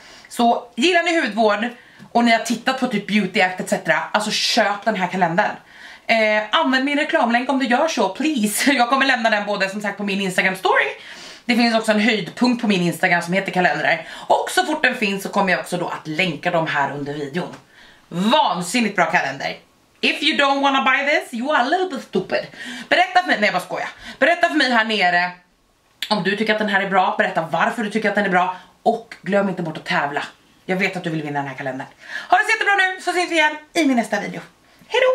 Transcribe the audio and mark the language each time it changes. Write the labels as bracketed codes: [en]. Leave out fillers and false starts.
[sv] Så gillar ni hudvård och ni har tittat på typ Beauty Act etc, alltså köp den här kalendern. Använd min reklamlänk om du gör så, please. Jag kommer lämna den både som sagt på min Instagram story. Det finns också en höjdpunkt på min Instagram som heter kalendrar. Och så fort den finns så kommer jag också då att länka dem här under videon. Vansinnigt bra kalender. [en] If you don't wanna buy this, you are a little bit stupid. [sv] Berätta för mig, nej jag bara skojar. Berätta för mig här nere om du tycker att den här är bra, berätta varför du tycker att den är bra. Och glöm inte bort att tävla. Jag vet att du vill vinna den här kalendern. Ha det så jättebra nu, så ses vi igen i min nästa video. Hejdå!